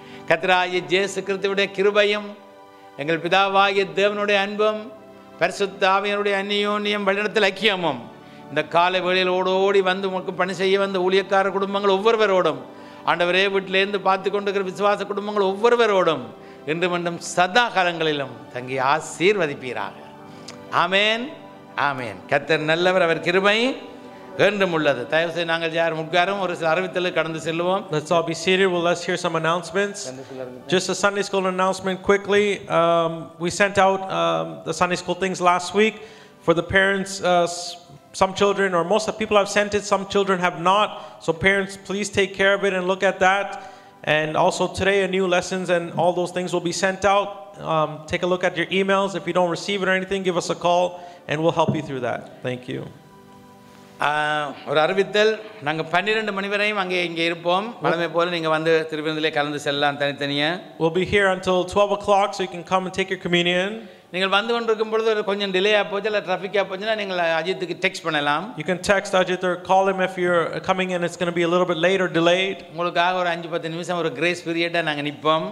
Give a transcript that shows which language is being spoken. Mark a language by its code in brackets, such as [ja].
[ta] கர்த்தராகிய இயேசு கிறிஸ்துவின் கிருபையும் எங்கள் பிதாவாகிய தேவனுடைய அன்பும் பரிசுத்த ஆவியனுடைய அன்னியோன்யம் வழிநடத்தல் ஐக்கியமும் இந்த காலை வேளையில் ஓடோடி வந்து உங்களுக்கு பணி செய்ய வந்த ஊழியக்கார குடும்பங்கள் ஒவ்வொருவரோடும், ஆண்டவரே வீட்டிலேருந்து பார்த்து கொண்டிருக்கிற விசுவாச குடும்பங்கள் ஒவ்வொருவரோடும் இன்று மட்டும் சதா காலங்களிலும் தங்கி ஆசீர்வதிப்பீராக. ஆமேன், ஆமேன். கர்த்தர் நல்லவர், அவர் கிருபை என்றும் உள்ளது. தயவு செய்து நாங்கள் யார் முக்காரம் ஒரு சில அறிவித்தல் கடந்து செல்வோம். [en] Let's all be seated. We'll let's hear some announcements. Just a Sunday school announcement quickly. We sent out the Sunday school things last week for the parents. Some children, or most of the people have sent it, some children have not. So parents, please take care of it and look at that. And also today, a new lessons and all those things will be sent out. Take a look at your emails. If you don't receive it or anything, give us a call and we'll help you through that. Thank you. [ta] ஒரு அறிவித்தல், நாங்கள் 12 மணி வரையும் அங்கே இங்கே இருப்போம். பழமை போல நீங்கள் வந்து திருவிருந்திலே கலந்து செல்லலாம் தனித்தனியாக. [en] We'll be here until 12 o'clock, so you can come and take your communion. [ta] நீங்கள் வந்து கொண்டிருக்கும் பொழுது ஒரு கொஞ்சம் டிலே ஆகப்போச்சு இல்லை டிராஃபிக்காக போச்சுன்னா நீங்கள் அஜித்துக்கு டெக்ஸ்ட் பண்ணலாம். [en] You can text Ajit or call him if you're coming in. It's going to be a little bit late or delayed. [ta] உங்களுக்காக ஒரு 5-10 நிமிஷம் ஒரு கிரேஸ் பீரியடாக நாங்கள் நிற்போம்.